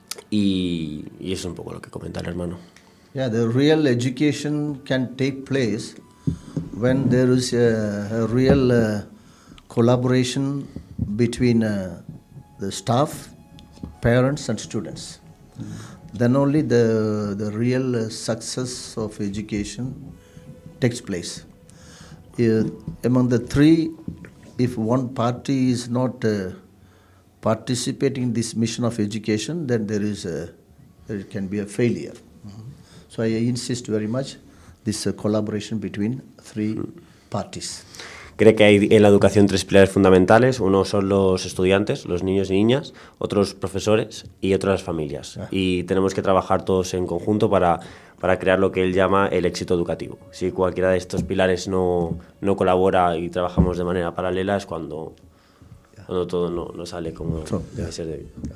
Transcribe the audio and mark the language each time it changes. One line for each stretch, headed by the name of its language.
Spanish: Y eso es un poco lo que comenta el hermano.
English: Yeah, the real education can take place when there is a real collaboration between the staff, parents and students. Then only the real success of education takes place. Among the three, if one party is not participating in this mission of education, then it can be a failure. So I insist very much this collaboration between three parties.
Spanish: ¿Cree que hay en la educación tres pilares fundamentales? Uno son los estudiantes, los niños y niñas, otros profesores y otras las familias. Y tenemos que trabajar todos en conjunto para crear lo que él llama el éxito educativo. Si cualquiera de estos pilares no colabora y trabajamos de manera paralela, es cuando todo no sale como debe ser debido.